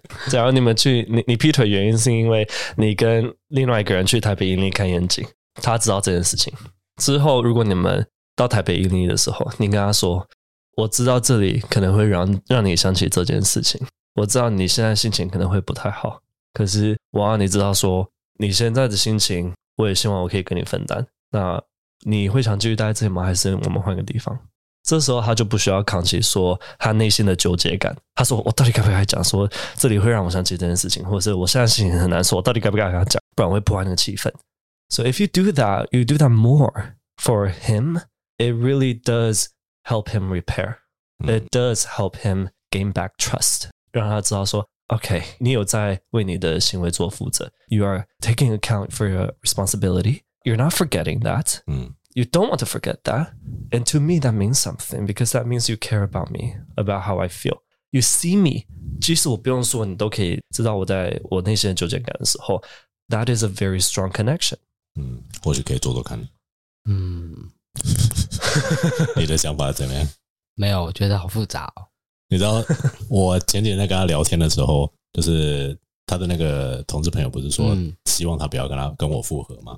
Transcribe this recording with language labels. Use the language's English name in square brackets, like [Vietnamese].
[Chinese] 假如你们去你劈腿原因是因为你跟另外一个人去台北一零看夜景，他知道这件事情之后，如果你们到台北一零的时候，你跟他说，我知道这里可能会让你想起这件事情，我知道你现在心情可能会不太好，可是我让你知道说你现在的心情。我也希望我可以跟你分担，那你会想继续待在这里吗？还是我们换个地方？这时候他就不需要扛起说他内心的纠结感，他说我到底该不该讲说这里会让我想起这件事情，或者是我现在心情很难说，我到底该不该跟他讲，不然我会破坏那个气氛。 [English] So if you do that, you do that more for him, it really does help him repair. It does help him gain back trust, [Chinese] 让他知道说OK, 你有在为你的行为做负责。 [English] You are taking account for your responsibility. You're not forgetting that. You don't want to forget that. And to me, that means something because that means you care about me, about how I feel. You see me. [Chinese] 即使我不用说，你都可以知道我在我内心的纠结感的时候。 [English] That is a very strong connection. [Chinese] 嗯，或许可以做做看。嗯，你的想法怎么样？没有，我觉得好复杂哦。你知道我前几天在跟他聊天的时候，就是他的那个同志朋友不是说希望他不要跟我复合吗？